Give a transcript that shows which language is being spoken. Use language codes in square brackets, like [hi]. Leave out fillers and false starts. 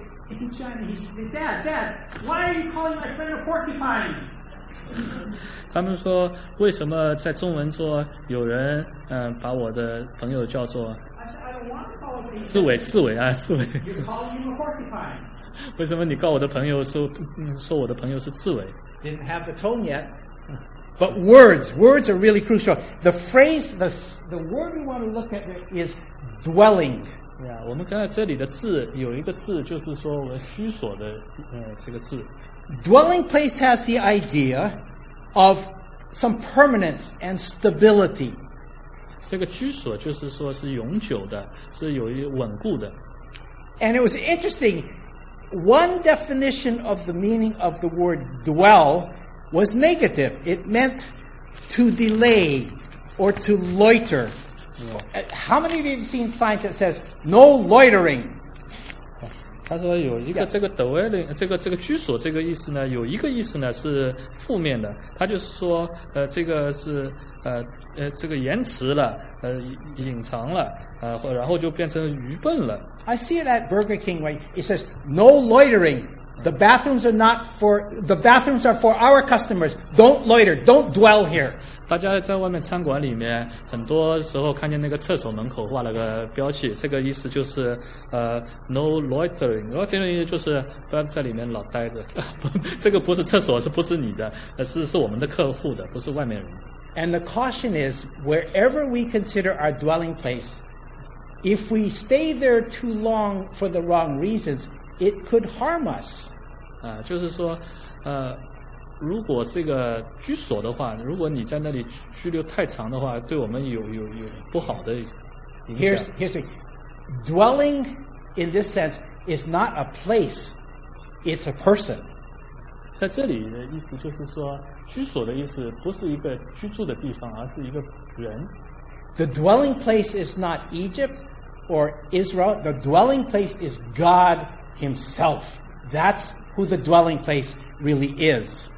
[en] In Chinese, say, Dad, Dad, why are you calling my friend a porcupine? [zh] 他们说，为什么在中文说有人把我的朋友叫做刺猬，刺猬啊，刺猬。 [en] You're calling him a porcupine. [zh] 为什么你告我的朋友说我的朋友是刺猬 [en] ？Didn't have the tone yet. But words are really crucial. The phrase, the word we want to look at is dwelling. [zh] Yeah, 我们看到这里的字有一个字就是说我居所的这个字。 [en] Dwelling place has the idea of some permanence and stability. [zh] 这个居所就是说是永久的，是有一稳固的。 [en] And it was interesting. One definition of the meaning of the word dwell. Was negative. It meant to delay or to loiter. Yeah. How many of you have seen signs that says no loitering? [zh] 他说有一个这个 dwelling 这个居所这个意思呢，有一个意思呢是负面的。他就是说，这个是这个延迟了，隐藏了，然后就变成愚笨了。 [en] I see it at Burger King. Right? It says no loitering. The bathrooms are not for the bathrooms are for our customers. Don't loiter. Don't dwell here. [zh] 大家在外面餐馆里面，很多时候看见那个厕所门口画了个标记，这个意思就是 no loitering. Loitering 就是不要在里面老待着。这个不是厕所，是不是你的？是我们的客户的，不是外面人。 [en] And the caution is wherever we consider our dwelling place, if we stay there too long for the wrong reasons. It could harm us. [zh] 就是说，如果这个居所的话，如果你在那里居留太长的话，对我们有不好的影响。 [en] Here's the dwelling in this sense is not a place; it's a person. [zh] 在这里的意思就是说，居所的意思不是一个居住的地方，而是一个人。 [en] The dwelling place is not Egypt or Israel. The dwelling place is God. Himself. That's who the dwelling place really is.